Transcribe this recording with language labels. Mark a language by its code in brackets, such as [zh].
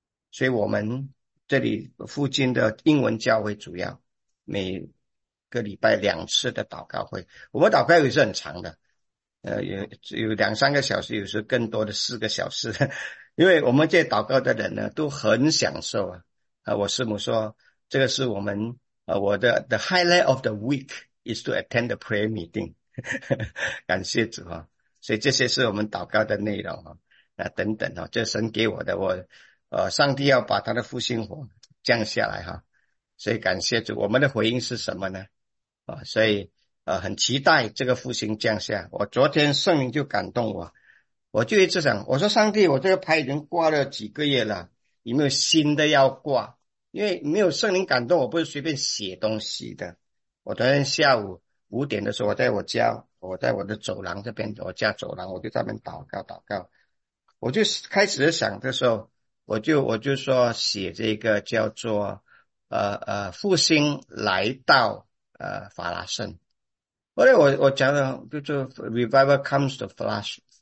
[zh] 所以我们这里附近的英文教会主要每个礼拜2次的祷告会，我们祷告也是很长的，有2、3个小时，有时更多的4个小时。因为我们这祷告的人呢，都很享受啊！我师母说，这个是我们我的 [en] the highlight of the week is to attend the prayer meeting， [zh] 感谢主啊！所以这些是我们祷告的内容啊，那等等啊，这神给我的，上帝要把他的复兴火降下来哈！所以感谢主，我们的回应是什么呢？所以很期待这个复兴降下。我昨天圣灵就感动我。我就一直想，我说上帝，我这个牌已经挂了几个月了，有没有新的要挂？因为没有圣灵感动，我不是随便写东西的。我昨天下午5点的时候，我在我的走廊这边，我家走廊，我就在那边祷告祷告。我就开始想的时候，我就说写这个叫做复兴来到法拉盛。后来我讲了，就是 [en] revival comes to flash。